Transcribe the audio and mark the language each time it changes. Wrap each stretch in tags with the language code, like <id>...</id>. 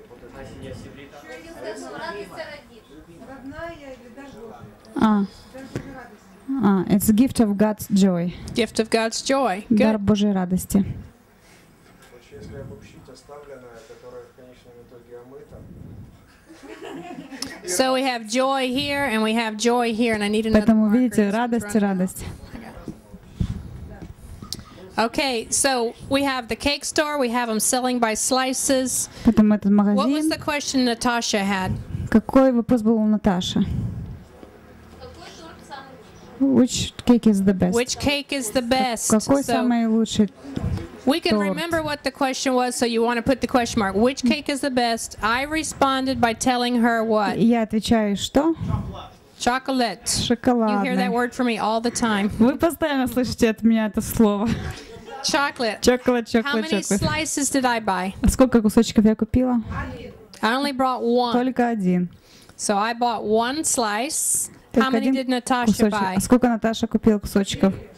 <ru>Вот это радость родит. Родная или даже</ru> <en>радость. It's gift of God's joy. Gift of God's joy.</en> <ru>Дар Божьей радости. Значит, если обобщить оставленное, которое в конечном итоге омыто.</ru> <en>So we have joy here and we have joy here, and I need another.</en> <ru>Поэтому видите, радость и радость.</ru> <en>Okay, so we have the cake store, we have them selling by slices.</en> <ru>Потом этот магазин.</ru> <en>What was the question Natasha had?</en> <ru>Какой вопрос был у Наташи? Какой торт самый лучший?</ru> <en>Which cake is the best? Which cake is the best?</en> <ru>Какой самый лучший торт?</ru> <en>We can remember what the question was, so you want to put the question mark. Which cake is the best? I responded by telling her what?</en> <ru>Я отвечаю что?</ru> <en>Chocolate.</en> <ru>Шоколадный.</ru> <en>You hear that word from me all the time.</en> <ru>Вы постоянно слышите от меня это слово.</ru> <en>Chocolate. Chocolate, chocolate, chocolate. How many slices did I buy?</en> <ru>А сколько кусочков я купила?</ru> <en>I only brought one.</en> <ru>Только один.</ru> <en>So I bought one slice.</en> <ru>Только</ru> <en>how many did Natasha</en> <ru>кусочек.</ru> <en>Buy?</en> <ru>А сколько Наташа купила кусочков?</ru>